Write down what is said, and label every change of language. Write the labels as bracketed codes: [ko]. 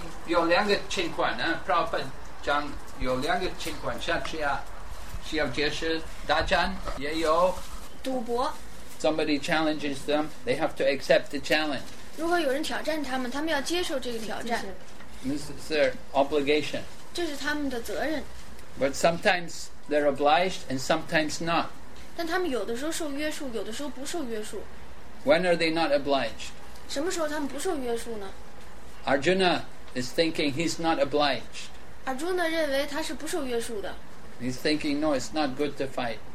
[zh] 有两个情况呢，普拉帕讲有两个情况，像这样需要解释大战，也有赌博。 [en] Somebody challenges them, they have to accept the challenge. [zh] 如果有人挑战他们，他们要接受这个挑战。 [en] This is their obligation. [zh] 这是他们的责任。 [en] But sometimes they're obliged and sometimes not. [zh] 但他们有的时候受约束，有的时候不受约束。 [en] When are they not obliged? [zh] 什么时候他们不受约束呢？ [en] Arjuna is thinking he's not obliged. [zh] Arjuna 认为他是不受约束的。 [en] He's thinking, no, it's not good to fight.